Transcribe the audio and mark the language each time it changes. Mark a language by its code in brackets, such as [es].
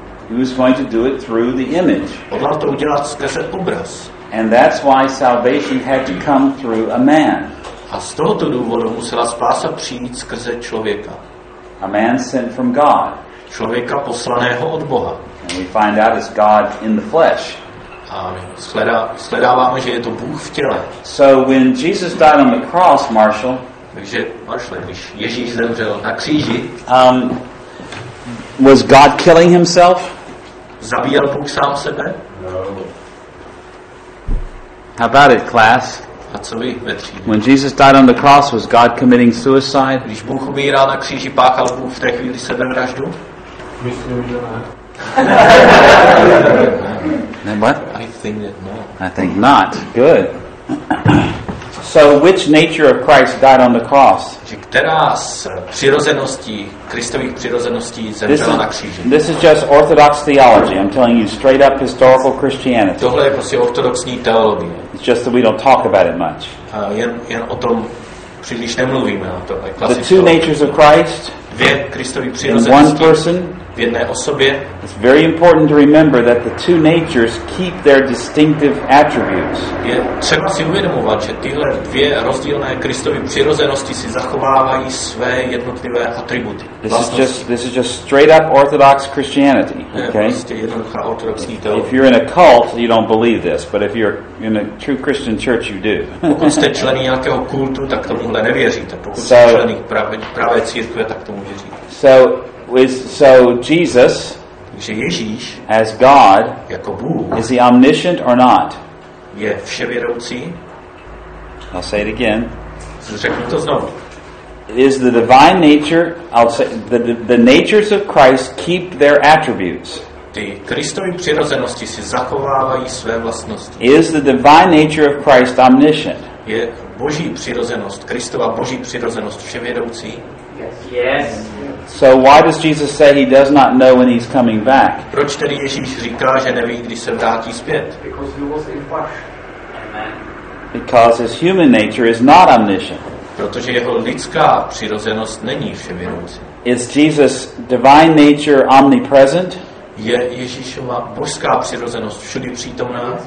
[en] He was going to do it through the image. [cs] Hodlal to udělat skrze obraz. [en] And that's why salvation had to come through a man. [cs] A z tohoto důvodu musela spása přijít skrze člověka. [en] A man sent from God. [cs] Člověka poslaného od Boha. [en] And we find out it's God in the flesh. [cs] A my shledáváme, že je to Bůh v těle. [en] So when Jesus died on the cross, Marshall, [cs] takže, Marshall, když Ježíš zemřel na kříži, [en] Was God killing himself? [cs] Zabíjel Bůh sám sebe? [en] No. How about it, class? [cs] A co vy, ve třídě? [en] When Jesus died on the cross, was God committing suicide? [cs] Když Bůh umíral na kříži, páchal Bůh v té chvíli sebevraždu? Myslím, že ne. [en] What? I think that no. I think not. Good. So which nature of Christ died on the cross? [cs] Která z přirozeností, Kristových přirozeností zemřela na kříži? [en] This is just orthodox theology. I'm telling you straight up historical Christianity. [cs] Tohle je prostě ortodoxní teologie. [en] It's just that we don't talk about it much. [cs] Jen o tom příliš nemluvíme. [en] The two natures of Christ. [cs] Dvě Kristovy přirozenosti. [en] One person. [cs] V jedné osobě. [en] It's very important to remember that the two natures keep their distinctive attributes. [cs] Je třeba si uvědomovat, že tyhle dvě rozdílné Kristovy přirozenosti si zachovávají své jednotlivé atributy. [en] This is just straight up orthodox Christianity. Okay? [cs] Je prostě jednoduchá ortodoxní teologie. [en] If you're in a cult, you don't believe this, but if you're in a true Christian church, you do. [cs] Pokud jste členy nějakého kultu, tak tomuhle nevěříte. Pokud jste členy pravé církve, tak tomu věříte. [en] So Jesus, [cs] Ježíš, [en] as God, [cs] jako Bůh, [en] is he omniscient or not? [cs] Je vševědoucí? [en] I'll say it again. [cs] Řeknu to znovu. [en] Is the divine nature? I'll say the natures of Christ keep their attributes. [cs] Ty Kristovy přirozenosti si zachovávají své vlastnosti. [en] Is the divine nature of Christ omniscient? [cs] Je Boží přirozenost, Kristova Boží přirozenost vševědoucí? [en] Yes. So why does Jesus say he does not know when he's coming back? [cs] Proč tedy Ježíš říká, že neví, kdy se vrátí zpět? [en] Because he was in flesh. Because his human nature is not omniscient. [cs] Protože jeho lidská přirozenost není vševědoucí. [en] Is Jesus' divine nature omnipresent? [cs] Je Ježíšova božská přirozenost všudy přítomná?